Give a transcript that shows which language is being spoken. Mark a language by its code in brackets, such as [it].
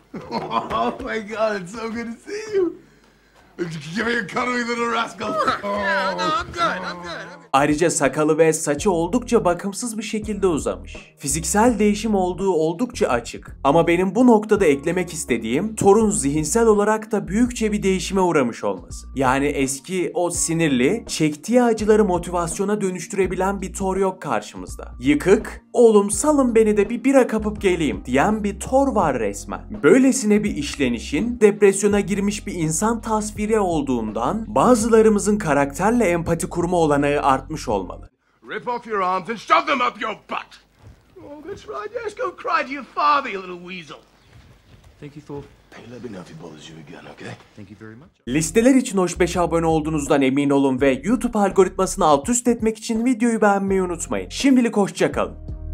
[en] Oh my god, it's so good to see you! Give me a cut with little rascal. No, I'm good. I'm good. [tr] Ayrıca sakalı ve saçı oldukça bakımsız bir şekilde uzamış. Fiziksel değişim olduğu oldukça açık. Ama benim bu noktada eklemek istediğim, Thor'un zihinsel olarak da büyükçe bir değişime uğramış olması. Yani eski o sinirli, çektiği acıları motivasyona dönüştürebilen bir Thor yok karşımızda. Yıkık, oğlum salın beni de bir bira kapıp geleyim diyen bir Thor var resmen. Böylesine bir işlenişin depresyona girmiş bir insan tasviri olduğundan bazılarımızın karakterle empati kurma olanağı artmış olmalı. [en] Rip off your arms and shove them up your butt. Oh, that's right. Yes, go cry to your father, you little weasel. Thank you, Thor. Hey, let me know if it bothers you again, okay? Thank you very much. [tr] Listeler için hoş 5'e abone olduğunuzdan emin olun ve YouTube algoritmasını alt üst etmek için videoyu beğenmeyi unutmayın. Şimdilik hoşça kalın.